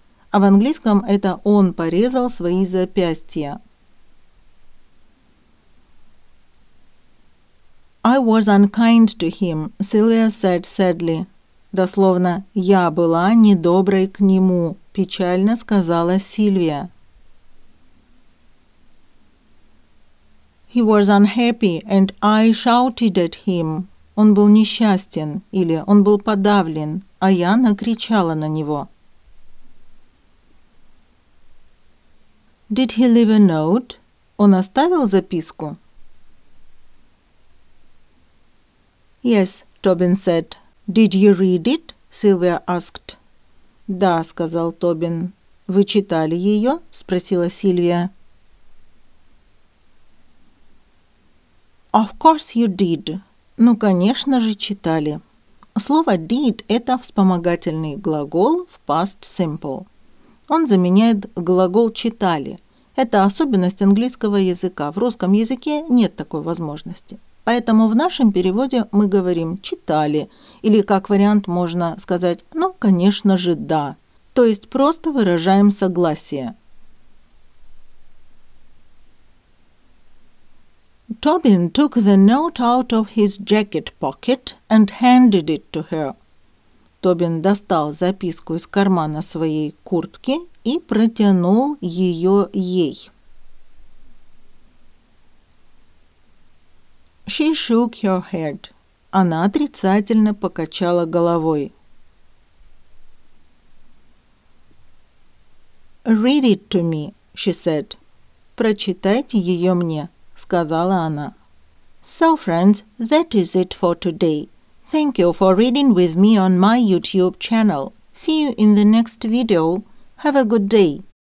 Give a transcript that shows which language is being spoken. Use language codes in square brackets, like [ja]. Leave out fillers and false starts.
[ru] А в английском это он порезал свои запястья. [en] I was unkind to him, Sylvia said sadly. [ru] Дословно, я была недоброй к нему, печально сказала Сильвия. [en] He was unhappy and I shouted at him. [ru] Он был несчастен или он был подавлен, а я накричала на него. [en] Did he leave a note? [ru] Он оставил записку? [en] Yes, Tobin said. Did you read it? Sylvia asked. [ru] Да, сказал Тобин. Вы читали ее? Спросила Сильвия. [en] Of course you did. [ru] Ну, конечно же, читали. Слово did – это вспомогательный глагол в past simple. Он заменяет глагол читали. Это особенность английского языка. В русском языке нет такой возможности. Поэтому в нашем переводе мы говорим «читали» или как вариант можно сказать «ну, конечно же, да». То есть просто выражаем согласие. [en] Tobin took the note out of his jacket pocket and handed it to her. [ru] Тобин достал записку из кармана своей куртки и протянул ее ей. [en] She shook her head. [ru] Она отрицательно покачала головой. [en] Read it to me, she said. [ru] Прочитайте ее мне, сказала она. [en] So, friends, that is it for today. Thank you for reading with me on my YouTube channel. See you in the next video. Have a good day.